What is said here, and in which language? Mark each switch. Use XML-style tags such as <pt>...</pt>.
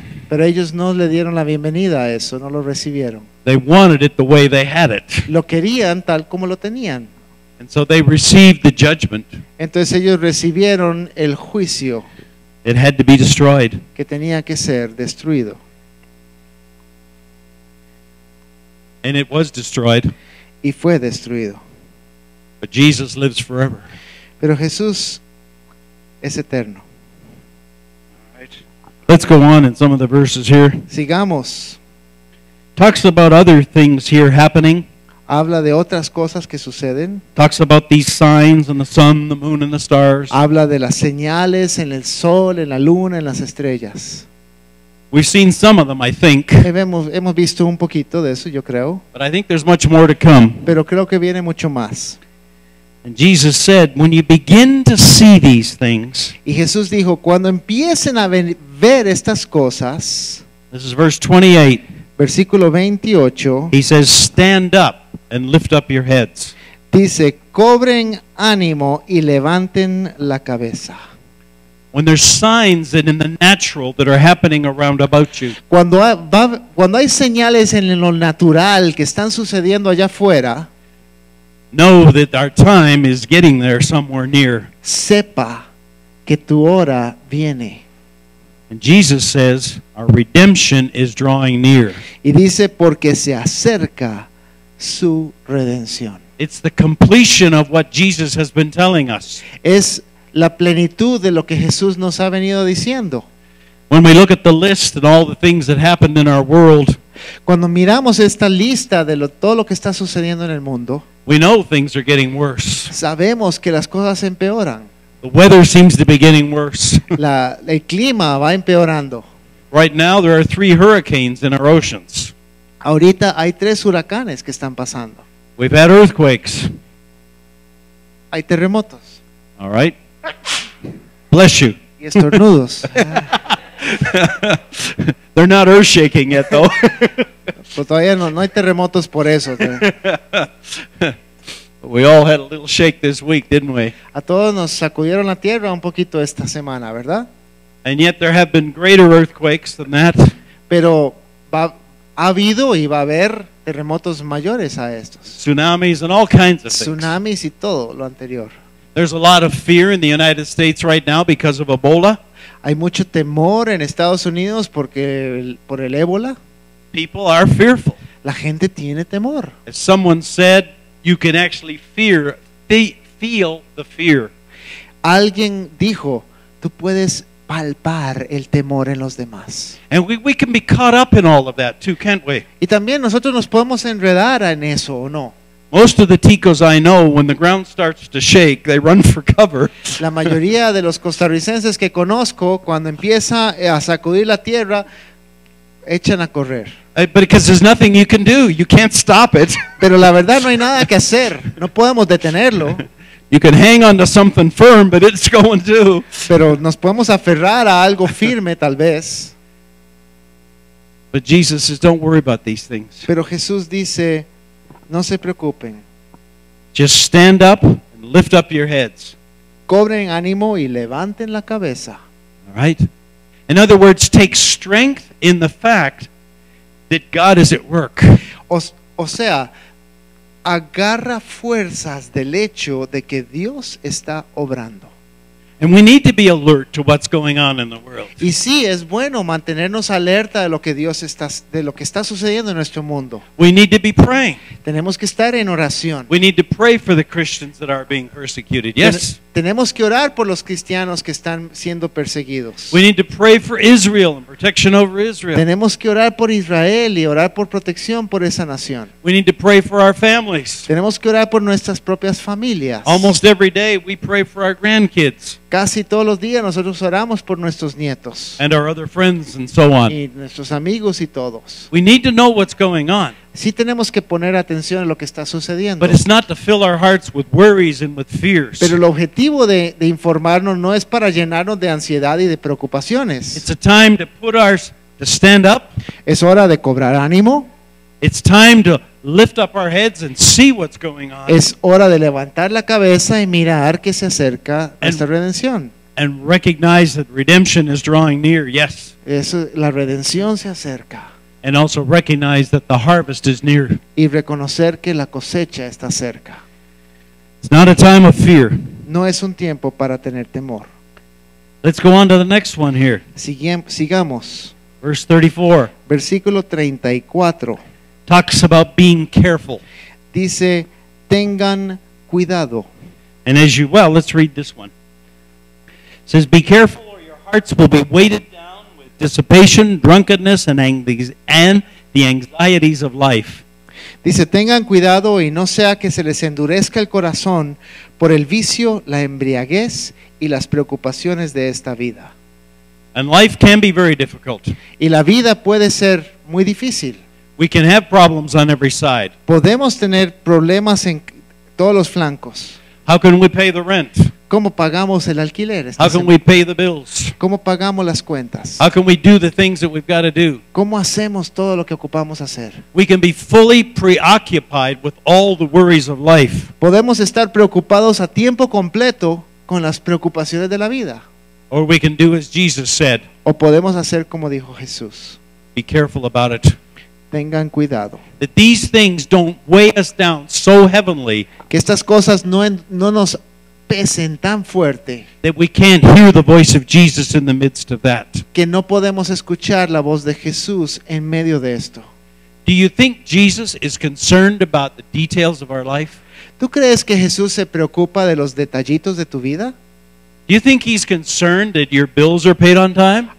<es>Pero ellos no le dieron la bienvenida a eso, no lo recibieron.</es> <en>They wanted it the way they had it.</en> <es>Lo querían tal como lo tenían.</es> <en>And so they received the judgment.</en> <es>Entonces ellos recibieron el juicio.</es> <en>It had to be destroyed.</en> <es>Que tenía que ser destruido.</es> <en>And it was destroyed.</en> <es>Y fue destruido.</es> <en>But Jesus lives forever.</en> <es>Pero Jesús es eterno.</es> <en>Let's go on in some of the verses here.</en> <es>Sigamos.</es> <en>Talks about other things here happening.</en> <es>Habla de otras cosas que suceden.</es> <en>Talks about these signs and the sun, the moon and the stars.</en> <es>Habla de las señales en el sol, en la luna, en las estrellas.</es> <en>We've seen some of them, I think.</en> <es>Hemos visto un poquito de eso, yo creo.</es> <en>But I think there's much more to come.</en> <es>Pero creo que viene mucho más.</es> <en>And Jesus said, when you begin to see these things.</en> <es>Y Jesús dijo, cuando empiecen a ver estas cosas.</es> <en>This is verse 28.</en> <es>Versículo 28.</es> <en>He says, stand up and lift up your heads.</en> <es>Dice, cobren ánimo y levanten la cabeza.</es> <en>When there's signs that in the natural that are happening around about you.</en> <es>Cuando hay señales en lo natural que están sucediendo allá afuera.</es> <en>Know that our time is getting there somewhere near.</en> <es>Sepa que tu hora viene.</es> <en>And Jesus says, our redemption is drawing near.</en> <es>Y dice, porque se acerca su redención.</es> <en>It's the completion of what Jesus has been telling us.</en> <es>Es la plenitud de lo que Jesús nos ha venido diciendo.</es> <en>When we look at the list and all the things that happened in our world.</en> <es>Cuando miramos esta lista de todo lo que está sucediendo en el mundo.</es> <en>We know things are getting worse.</en> <es>Sabemos que las cosas empeoran.</es> <en>The weather seems to be getting worse.</en> <es>El clima va empeorando.</es> <en>Right now there are 3 hurricanes in our oceans.</en> <es>Ahorita hay 3 huracanes que están pasando.</es> <en>We've had earthquakes.</en> <es>Hay terremotos.</es> <en>All right. Bless you.</en> <es>Y estornudos.</es> <en>They're not earth-shaking yet, though.</en> <es>Pero todavía no hay terremotos por eso.</es> <en>We all had a little shake this week, didn't we?</en> <es>A todos nos sacudieron la tierra un poquito esta semana, ¿verdad?</es> <en>And yet there have been greater earthquakes than that.</en> <es>Pero ha habido y va a haber terremotos mayores a estos.</es> <en>Tsunamis and all kinds of things.</en> <es>Tsunamis y todo lo anterior.</es> <en>There's a lot of fear in the United States right now because of Ebola.</en> <es>Hay mucho temor en Estados Unidos por el ébola.</es> <en>People are fearful.</en> <es>La gente tiene temor.</es> <en>As someone said, you can actually feel the fear.</en> <es>Alguien dijo, tú puedes palpar el temor en los demás.</es> <en>And we can be caught up in all of that too, can't we?</en> <es>Y también nosotros nos podemos enredar en eso, ¿o no?</es> <en>Most of the ticos I know, when the ground starts to shake, they run for cover.</en> <es>La mayoría de los costarricenses que conozco, cuando empieza a sacudir la tierra, echan a correr.</es> <en>But because there's nothing you can do, you can't stop it.</en> <es>Pero la verdad no hay nada que hacer. No podemos detenerlo.</es> <en>You can hang on to something firm, but it's going too.</en> <es>Pero nos podemos aferrar a algo firme, tal vez.</es> <en>But Jesus says, "Don't worry about these things."</en> <es>Pero Jesús dice. No se preocupen.</es> <en>Just stand up and lift up your heads.</en> <es>Cobren ánimo y levanten la cabeza.</es> <en>All right. In other words, take strength in the fact that God is at work.</en> <es>O sea, agarra fuerzas del hecho de que Dios está obrando.</es> <en>And we need to be alert to what's going on in the world.</en> <es>Y sí, es bueno mantenernos alerta de lo que Dios está, de lo que está sucediendo en nuestro mundo.</es> <en>We need to be praying.</en> <es>Tenemos que estar en oración.</es> <en>We need to pray for the Christians that are being persecuted. Yes.</en> <es>Tenemos que orar por los cristianos que están siendo perseguidos.</es> <en>We need to pray for Israel and protection over Israel.</en> <es>Tenemos que orar por Israel y orar por protección por esa nación.</es> <en>We need to pray for our families.</en> <es>Tenemos que orar por nuestras propias familias.</es> <en>Almost every day we pray for our grandkids.</en> <es>Casi todos los días nosotros oramos por nuestros nietos.</es> <en>And our other friends and so on.</en> <es>Y nuestros amigos y todos.</es> <en>We need to know what's going on.</en> <es>Sí tenemos que poner atención a lo que está sucediendo.</es> <en>But it's not to fill our hearts with worries and with fears.</en> <es>Pero el objetivo de informarnos no es para llenarnos de ansiedad y de preocupaciones.</es> <en>It's a time to put our, to stand up.</en> <es>Es hora de cobrar ánimo.</es> <en>It's time to lift up our heads and see what's going on.</en> <es>Es hora de levantar la cabeza y mirar que se acerca nuestra redención.</es> <en>And recognize that redemption is drawing near. Yes.</en> <es>Eso, la redención se acerca.</es> <en>And also recognize that the harvest is near.</en> <es>Y reconocer que la cosecha está cerca.</es> <en>It's not a time of fear.</en> <es>No es un tiempo para tener temor.</es> <en>Let's go on to the next one here.</en> <es>Sigamos.</es> <en>Verse 34.</en> <es>Versículo 34.</es> <en>Talks about being careful.</en> <es>Dice, tengan cuidado.</es> <en>And as you, well, let's read this one. It says, be careful or your hearts will be weighted down with dissipation, drunkenness, and the anxieties of life.</en> <es>Dice, tengan cuidado y no sea que se les endurezca el corazón por el vicio, la embriaguez, y las preocupaciones de esta vida.</es> <en>And life can be very difficult.</en> <es>Y la vida puede ser muy difícil.</es> <en>We can have problems on every side.</en> <es>Podemos tener problemas en todos los flancos.</es> <en>How can we pay the rent?</en> <es>¿Cómo pagamos el alquiler?</es> <en>How can we pay the bills?</en> <es>¿Cómo pagamos las cuentas?</es> <en>How can we do the things that we've got to do?</en> <es>¿Cómo hacemos todo lo que ocupamos hacer?</es> <en>We can be fully preoccupied with all the worries of life.</en> <es>Podemos estar preocupados a tiempo completo con las preocupaciones de la vida.</es> <en>Or we can do as Jesus said.</en> <es>O podemos hacer como dijo Jesús.</es> <en>Be careful about it.</en> <es>Tengan cuidado.</es> <en>That these things don't weigh us down so heavily.</en> <es>Que estas cosas no nos pesen tan fuerte.</es> <en>That we can't hear the voice of Jesus in the midst of that.</en> <es>Que no podemos escuchar la voz de Jesús en medio de esto.</es> <en>Do you think Jesus is concerned about the details of our life?</en> <es>¿Tú crees que Jesús se preocupa de los detallitos de tu vida?</es> <en>Do you think he's concerned that your bills are paid on time?</en>